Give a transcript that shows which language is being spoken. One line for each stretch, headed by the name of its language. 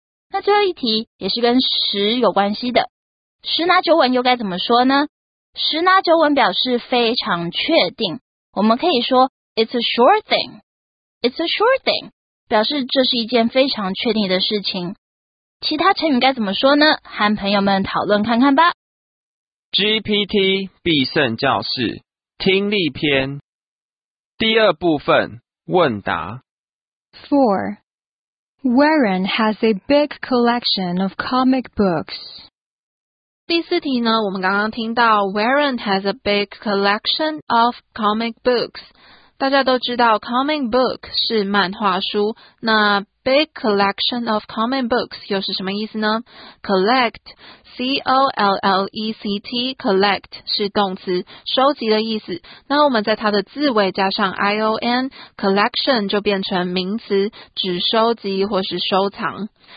Chinese: 那最后一题也是跟十有关系的十拿九稳又该怎么说呢十拿九稳表示非常确定我们可以说
English: It's a sure thing
Chinese: It's a sure thing 表示这是一件非常确定的事情其他成语该怎么说呢和朋友们讨论看看吧 GPT 必胜教室听力篇第二部分问答 4.
English: Warren has a big collection of comic books
Chinese: 第四题呢我们刚刚听到
English: Warren has a big collection of comic books
Chinese: 大家都知道 comic book 是漫画书那
English: Big collection of comic books
Chinese: 又是什么意思呢 collect C-O-L-L-E-C-T collect 是动词收集的意思那我们在它的字尾加上 I-O-N collection 就变成名词指收集或是收藏